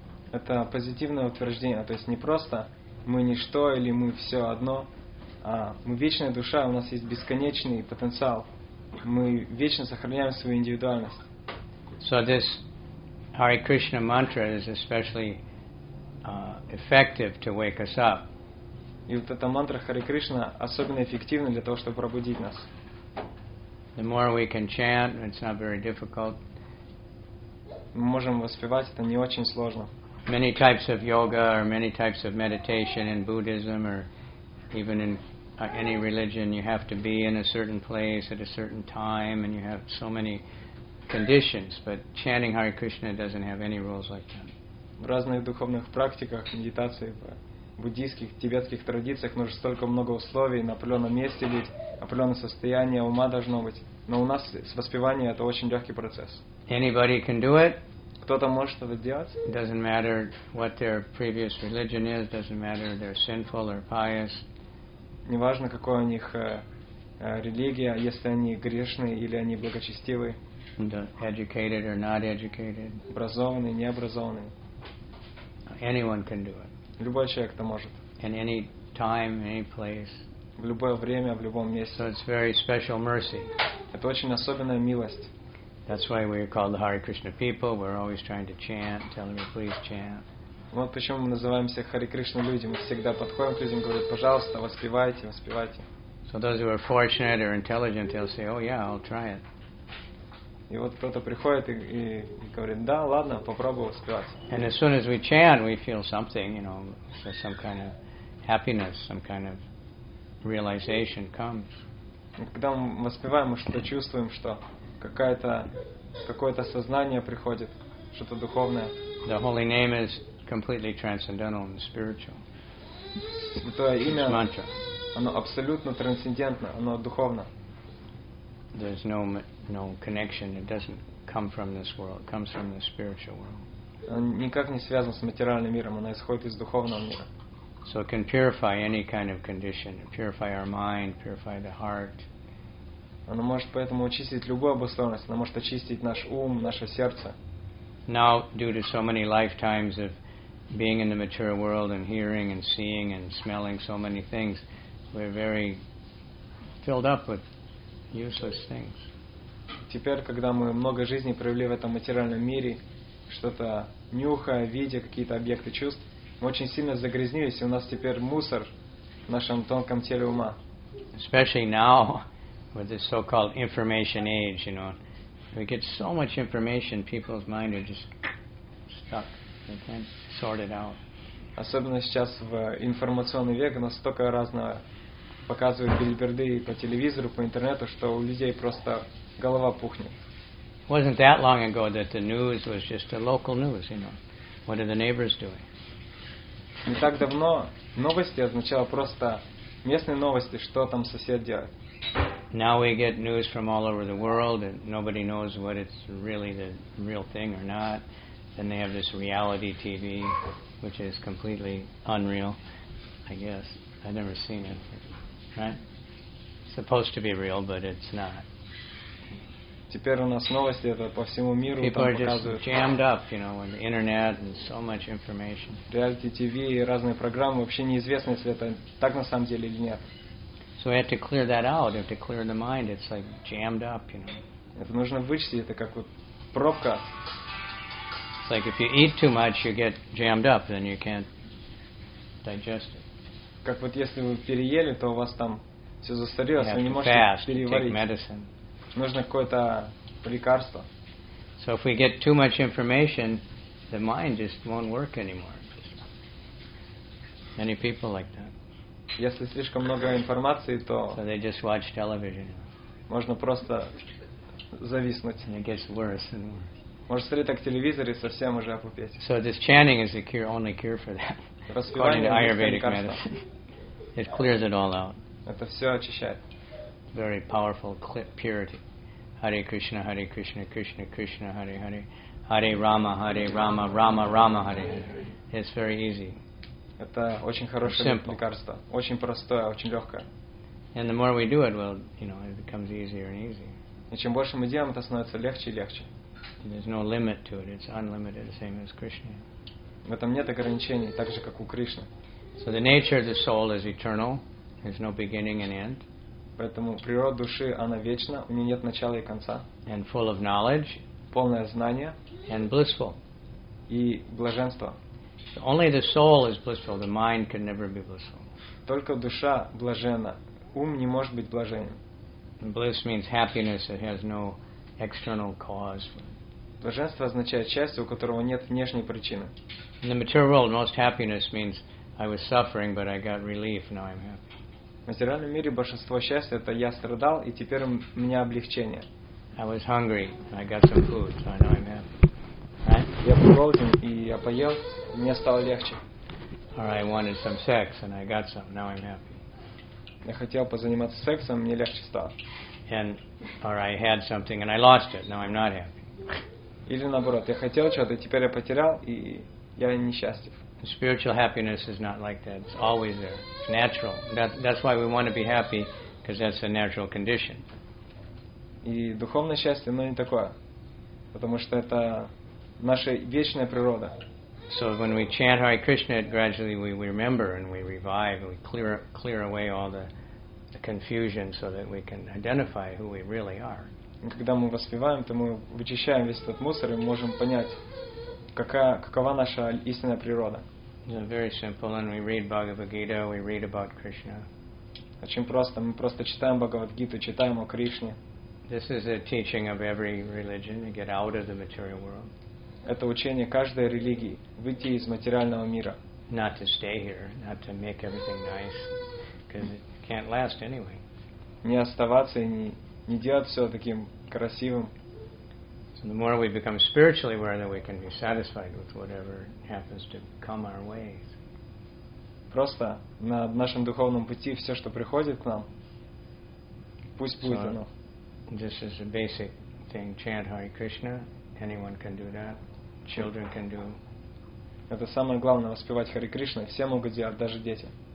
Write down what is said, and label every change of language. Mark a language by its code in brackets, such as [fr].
[ru] Это позитивное утверждение. То есть не просто мы ничто или мы все одно, а мы вечная душа, у нас есть бесконечный потенциал. Мы вечно сохраняем свою индивидуальность. [en] So this Hare Krishna mantra is especially effective to wake us up. [ru] И вот эта мантра Hare Krishna особенно эффективна для того, чтобы пробудить нас. [en] The more we can chant, it's not very difficult. [ru] Мы можем воспевать, это не очень сложно. [en] Many types of yoga or many types of meditation in Buddhism or even in any religion, you have to be in a certain place at a certain time, and you have so many conditions. But chanting Hare Krishna doesn't have any rules like that. [ru] В разных духовных практиках, медитации, в буддийских, тибетских традициях нужно столько много условий, на определенном месте быть, определенное состояние ума должно быть. Но у нас с воспеванием это очень легкий процесс. [en] Anybody can do it. [ru] Кто-то может это делать. [en] Doesn't matter what their previous religion is. Doesn't matter if they're sinful or pious. [ru] Неважно, какой у них религия, если они грешные или они благочестивые. [en] Educated or not educated. [ru] Образованные, необразованные. [en] Anyone can do it. [ru] Любой человек это может. [en] In any time, any place. [ru] в любое время, в любом месте. [en] So it's very special mercy. [ru] Это очень особенная милость. [en] That's why we're called the Hare Krishna people. We're always trying to chant, telling them, please chant. [ru] Вот почему мы называемся Hare Krishna люди. Мы всегда подходим к людям, говорят, пожалуйста, воспевайте, воспевайте. [en] So those who are fortunate or intelligent, they'll say, oh yeah, I'll try it. [ru] И вот кто-то приходит и говорит, да, ладно, попробую воспевать. [en] And as soon as we chant, we feel something, you know, some kind of happiness, some kind of realization comes. [ru] Когда мы воспеваем, мы что-то чувствуем, что какое-то сознание приходит, что-то духовное. [en] The holy name is completely transcendental and spiritual. [ru] Святое имя, оно абсолютно трансцендентно, оно духовно. [en] There's no connection. It doesn't come from this world. It comes from the spiritual world. [ru] Оно никак не связано с материальным миром. Оно исходит из духовного мира. [en] So it can purify any kind of condition. Purify our mind. Purify the heart. [ru] Оно может поэтому очистить любую обусловленность. Оно может очистить наш ум, наше сердце. [en] Now, due to so many lifetimes of being in the material world and hearing and seeing and smelling so many things, we're very filled up with useless things. [ru] Теперь, когда мы много жизни провели в этом материальном мире, что-то нюхая, видя какие-то объекты чувств, мы очень сильно загрязнились, и у нас теперь мусор в нашем тонком теле ума. [en] Especially now, with this so-called information age, you know, we get so much information, people's minds are just stuck. They can't sort it out. [ru] Особенно сейчас в информационный век, у нас столько разного показывают билиберды по телевизору, по интернету, что у людей просто голова пухнет. [en] Wasn't that long ago that the news was just the local news, you know? What are the neighbors doing? [ru] Не так давно новости означало просто местные новости, что там сосед делает. [en] Now we get news from all over the world, and nobody knows what it's really the real thing or not. Then they have this reality TV, which is completely unreal. I guess I've never seen it. Right? Supposed to be real, but it's not. [ru] Теперь у нас новости это по всему миру. [en] People are [ru] показывают. [en] Just jammed up, you know, on the internet and so much information. [ru] Reality TV и разные программы вообще неизвестно, если это так на самом деле или нет. [en] So we have to clear that out. We have to clear the mind. It's like jammed up, you know. [ru] Это нужно вычистить. Это как вот пробка. [en] It's like if you eat too much, you get jammed up, then you can't digest it. [ru] Как вот если вы переели, то у вас там все застарелось, [en] you [ru] вы не можете [en] fast, [ru] переварить. Нужно какое-то лекарство. [en] So if we get too much information, the mind just won't work anymore. Many people like that. [ru] Если слишком много информации, то [en] so they just watch television. [ru] Можно просто зависнуть. [en] And it gets worse and worse. [ru] Можно смотреть так телевизор и совсем уже опупеть. [en] So this chanting is the cure, only cure for that. According to Ayurvedic medicine, it clears it all out. [ru] Это все очищает. [en] Very powerful purity. Hare Krishna, Hare Krishna, Krishna Krishna, Hare Hare. Hare Rama, Hare Rama, Rama Rama, Hare Hare. It's very easy. [ru] Это очень хорошее лекарство. Очень простое, очень легкое. [en] And the more we do it, well, you know, it becomes easier and easier. [ru] И чем больше мы делаем, это становится легче и легче. [en] There's no limit to it. It's unlimited, the same as Krishna. [ru] В этом нет ограничений, так же как у Кришны. [en] So the nature of the soul is eternal. There's no beginning and end. [ru] Поэтому природа души она вечна, у нее нет начала и конца. [en] And full of knowledge. [ru] Полное знание. [en] And blissful. [ru] И блаженство. [en] Only the soul is blissful. The mind can never be blissful. [ru] Только душа блаженна, ум не может быть блаженным. [en] Bliss means happiness. It has no external cause. [ru] Блаженство означает счастье, у которого нет внешней причины. [en] In the material world, most happiness means I was suffering, but I got relief. Now I'm happy. [ru] В материальном мире большинство счастья это я страдал и теперь у меня облегчение. [en] I was hungry, I got some food, so now I'm happy. Right? [ru] Я был голоден и я поел, и мне стало легче. [en] Or I wanted some sex and I got some. Now I'm happy. [ru] Я хотел позаниматься сексом, мне легче стало. [en] And or I had something and I lost it. Now I'm not happy. [ru] Или наоборот, я хотел чего-то, теперь я потерял, и я несчастлив. [en] Spiritual happiness is not like that. It's always there. It's natural. That's why we want to be happy, because that's a natural condition. [ru] И духовное счастье, оно не такое, потому что это наша вечная природа. [en] So when we chant Hare Krishna, gradually we remember and we revive, and we clear away all the confusion so that we can identify who we really are. [ru] Когда мы воспеваем, то мы вычищаем весь этот мусор и можем понять, какова наша истинная природа. [en] It's very simple, and we read Bhagavad Gita, we read about Krishna. [ru] Очень просто, мы просто читаем Бхагавад Гиту, читаем о Кришне. [en] This is a teaching of every religion to get out of the material world. [ru] Это учение каждой религии выйти из материального мира. [en] Not to stay here, not to make everything nice, because it can't last anyway. [ru] Не оставаться и не делать все таким красивым. [en] So the more we become spiritually aware, the we can be satisfied with whatever happens to come our way. [ru] Просто на нашем духовном пути все, что приходит к нам, пусть будет оно. [en] This is a basic thing. Chant Hare Krishna. Anyone can do that. Children can do. [ru] Это самое главное, воспевать Хари Кришну. Все могут делать, даже дети.